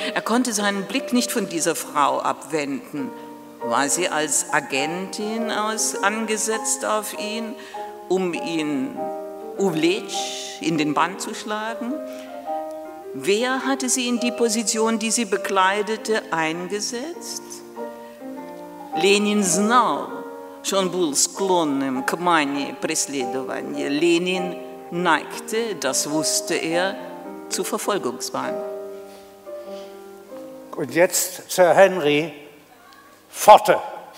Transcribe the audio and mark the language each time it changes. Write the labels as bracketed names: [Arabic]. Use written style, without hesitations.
[German] Er konnte seinen Blick nicht von dieser Frau abwenden. War sie als Agentin angesetzt auf ihn, um ihn Uvlitsch in den Bann zu schlagen? Wer hatte sie in die Position, die sie bekleidete, eingesetzt? [Russian] Ленин знал, что он был склонным к мании преследования. [German] Ленин neigte, das wusste er, zu Verfolgungswahn. Und jetzt Sir Henry Forte.